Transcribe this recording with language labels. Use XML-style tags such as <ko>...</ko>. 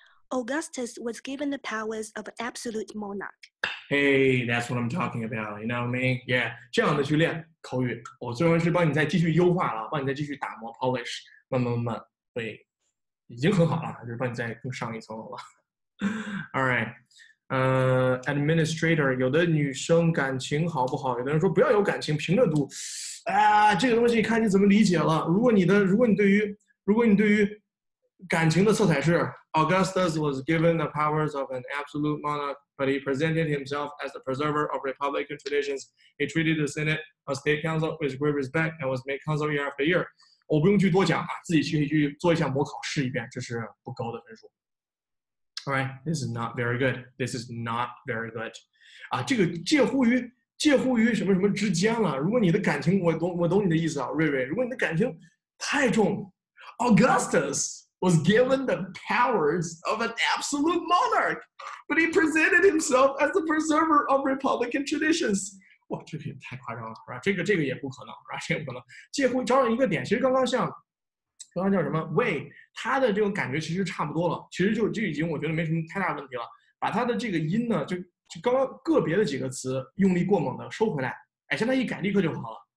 <en>Augustus was given the powers of an absolute monarch. Hey, that's what I'm talking about. You know what I mean?</en> <zh>Yeah， 这样的去练口语，我虽然是帮你再继续优化了，帮你再继续打磨 polish， 慢慢，对，已经很好了，就是帮你再更上一层楼了。 All right。 administrator， 有的女生感情好不好？有的人说不要有感情，凭着读。啊，这个东西看你怎么理解了。如果你对于感情的色彩是</zh> <en>Augustus was given the powers of an absolute monarch, but he presented himself as the preserver of republican traditions. He treated the Senate and State Council with great respect and was made consul year after year.</en> <zh>我不用去多讲啊，自己去做一下模考试一遍，这是不高的分数。</zh> <en>All right, this is not very good. This is not very good.</en> <zh>啊，这个介乎于什么什么之间了。如果你的感情，我懂你的意思啊，瑞瑞。如果你的感情太重</zh> <en>，Augustus was given the powers of an absolute monarch, but he presented himself as the preserver of republican traditions.</en> <zh>哇，这个也太夸张了，是吧？这个也不可能，是吧？这个不能。介乎找准一个点，其实刚刚叫什么 ？Way， 他的这种感觉其实差不多了，其实就已经我觉得没什么太大问题了。把他的这个音呢，就刚刚个别的几个词用力过猛的收回来，哎，现在一改立刻就好了。</zh>